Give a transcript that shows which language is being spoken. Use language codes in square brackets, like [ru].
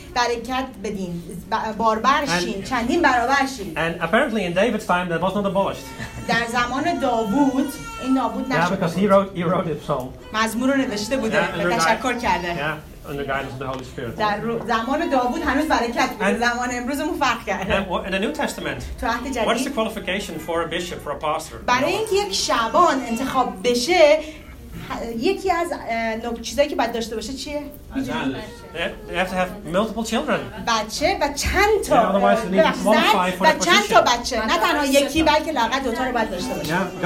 [fa] برکت بدین باربر شین چندین برابر شین. [en] And apparently in David's time that was not abolished. [fa] در زمان داوود این نابود نشد. [en] Yeah, because he wrote the psalm. [fa] مزمور رو نوشته بوده. تشکر کرده. [en] Yeah. under guidance of the Holy Spirit. In the New Testament, what is the qualification for a bishop, for a pastor? [fa] یکی از چیزایی که باید داشته باشه چیه؟ [en] You have to have multiple children. [fa] بچه و چند تا زن و چند تا بچه. نه تنها یکی بلکه لاغت دوتا رو باید داشته باشه.